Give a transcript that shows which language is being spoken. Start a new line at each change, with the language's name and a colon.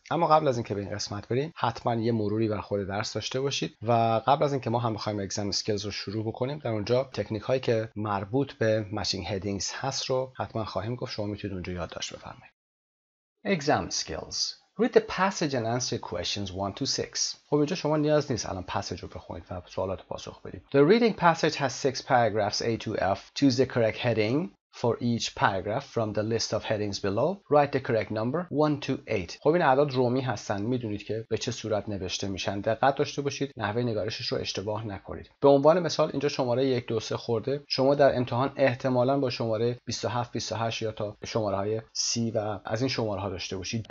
Persian: اما قبل از اینکه به این قسمت بریم حتما یه مروری بر خود درس داشته باشید و قبل از اینکه ما هم بخوایم اگزم سکلز رو شروع بکنیم، در اونجا تکنیک هایی که مربوط به مچینگ هدینگز هست رو حتما خواهیم گفت. شما میتونید اونجا یادداشت بفرمایید.
English: Exam skills. Read the passage and answer questions 1 to 6.
Persian: خب اینجا شما نیاز نیست الان پسیج رو بخونید و سوالات پاسخ بدید.
English: The reading passage has 6 paragraphs A to F. Choose the correct heading for each paragraph from the list of headings below. Write the correct number 1 to 8.
Persian: خب این اعداد رومی هستن، میدونید که به چه صورت نوشته میشن. دقت داشته باشید، نحوه نگارشش رو اشتباه نکنید. به عنوان مثال اینجا شماره 1 2 3 خورده. شما در امتحان احتمالاً با شماره 27 28 یا تا شماره های 30 و از این شماره ها داشته باشید.